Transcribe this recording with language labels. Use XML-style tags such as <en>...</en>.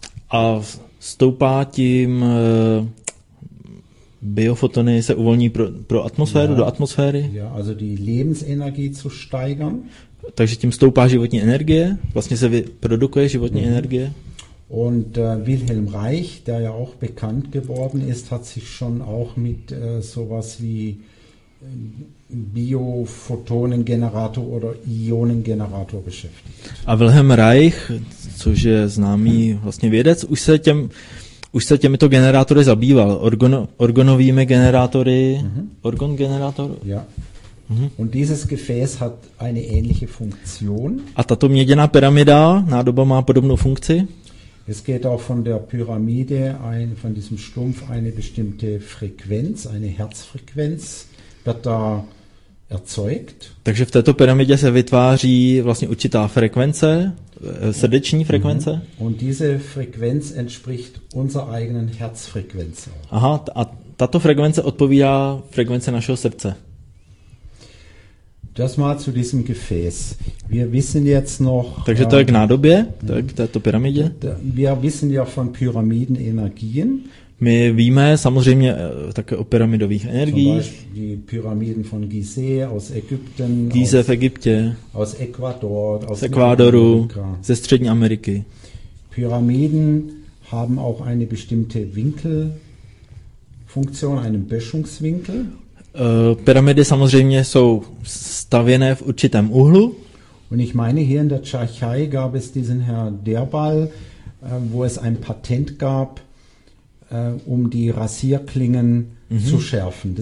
<cs>A stoupá tím biofotony se uvolní pro atmosféru, ja, do atmosféry.</cs> <de>Ja, also die Lebensenergie zu steigern.</de> <cs>Takže tím stoupá životní energie, vlastně se produkuje životní energie.</cs> <de>Und Wilhelm Reich, der ja auch bekannt geworden ist, hat sich schon auch mit sowas wie Biophotonengenerator oder Ionengenerator beschäftigt.</de> <cs>A Wilhelm Reich, což je známý vlastně vědec, už se těmito generátory zabýval, orgonovými generátory, orgon generátor.</cs> <de>Ja. Und dieses Gefäß hat eine ähnliche Funktion.</de> <cs>A tato měděná pyramida, nádoba, má podobnou funkci.</cs> <de>Es geht auch von der Pyramide ein, von diesem Stumpf eine bestimmte Frequenz, eine Herzfrequenz wird da erzeugt.</de> <cs>Takže v této pyramidě se vytváří vlastně určitá frekvence, srdeční frekvence.</cs> <de>Und diese Frequenz entspricht unserer eigenen Herzfrequenz.</de> <cs>Aha, a tato frekvence odpovídá frekvence našeho srdce.</cs> <de>Das mal zu diesem Gefäß. Wir wissen jetzt noch.</de> <cs>Takže to je k nádobě, to je k této pyramidě.</cs> <de>Wir wissen ja von Pyramidenenergien.</de> <cs>My víme samozřejmě také o pyramidových energiích.</cs> <de>Die Pyramiden von Gizeh aus Ägypten.</de> <cs>Gizeh v Egyptě.</cs> <de>Aus Ecuador.</de> <cs>Z Ekvádoru. Ze střední Ameriky.</cs> <de>Pyramiden haben auch eine bestimmte Winkelfunktion, einen Böschungswinkel.</de> <cs>Pyramidy samozřejmě jsou stavěné v určitém úhlu.</cs> <de>Und ich meine, hier in der Tschechei gab es diesen Herr Derbal, wo es ein Patent gab, um die Rasierklingen zu schärfen.</de>